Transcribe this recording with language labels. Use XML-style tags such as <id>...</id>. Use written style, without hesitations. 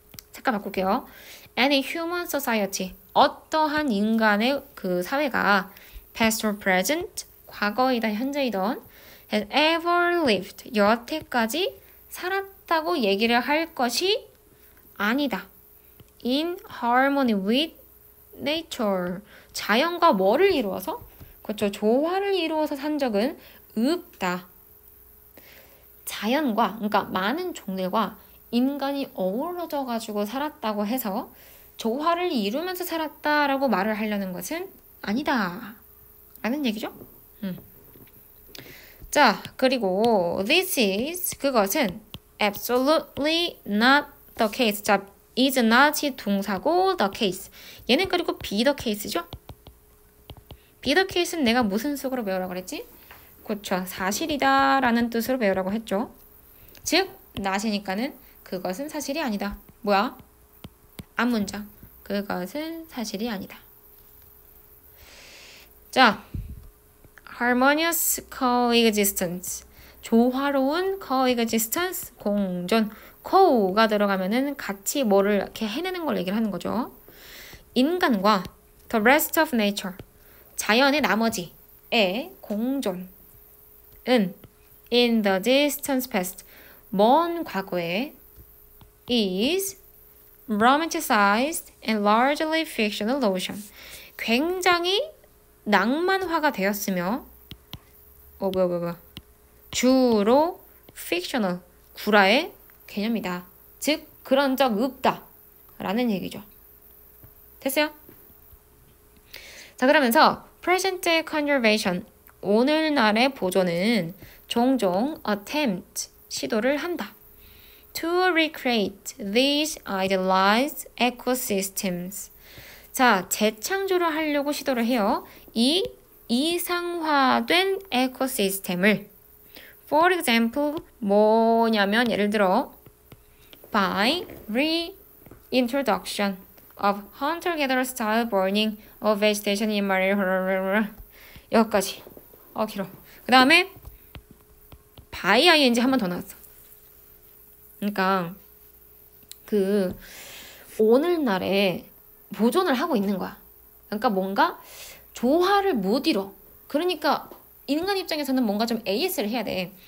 <ko>잠깐 바꿀게요.</ko> <en>Any human society,</en> <ko>어떠한 인간의 그 사회가</ko> <en>past or present,</en> <ko>과거이든 현재이든</ko> <en>has ever lived,</en> <ko>여태까지 살았다고 얘기를 할 것이 아니다.</ko> <en>In harmony with nature,</en> <ko>자연과 뭐를 이루어서? 그렇죠. 조화를 이루어서 산 적은 없다. 자연과, 그러니까 많은 종들과 인간이 어우러져 가지고 살았다고 해서 조화를 이루면서 살았다라고 말을 하려는 것은 아니다 라는 얘기죠. 자, 그리고</ko> <en>this is,</en> <ko>그것은</ko> <en>absolutely not the case.</en> <ko>자, is not이 동사고</ko> <en>the case.</en> <ko>얘는 그리고</ko> <en>be the case</en> <ko>죠.</ko> <en>Be the case</en> <ko>는 내가 무슨 속으로 배우라고 그랬지? 그쵸. 사실이다 라는 뜻으로 배우라고 했죠. 즉, not이니까는 그것은 사실이 아니다. 뭐야? 앞 문장. 그것은 사실이 아니다.</ko> <en>자, harmonious coexistence.</en> <ko>조화로운 coexistence, 공존. co가 들어가면은 같이 뭐를 이렇게 해내는 걸 얘기를 하는 거죠. 인간과</ko> <en>the rest of nature,</en> <ko>자연의 나머지의 공존은</ko> <en>in the distant past,</en> <ko>먼 과거에</ko> <en>is romanticized and largely fictional notion.</en> <ko>굉장히 낭만화가 되었으며, 주로 fictional, 구라의 개념이다. 즉, 그런 적 없다. 라는 얘기죠. 됐어요? 자, 그러면서</ko> <en>present day conservation,</en> <ko>오늘날의 보존은 종종 attempt, 시도를 한다.</ko> <en>To recreate these idealized ecosystems.</en> <ko>자, 재창조를 하려고 시도를 해요. 이 이상화된 에코시스템을.</ko> <en>For example,</en> <ko>뭐냐면 예를 들어</ko> <en>by reintroduction of hunter-gatherer style burning of vegetation in marine</en> <ko>여기까지. 어, 길어. 그 다음에 by ing 한 번 더 나왔어. 그러니까 그 오늘날에 보존을 하고 있는 거야. 그러니까 뭔가 조화를 못 이뤄. 그러니까 인간 입장에서는 뭔가 좀 AS를 해야 돼.</ko>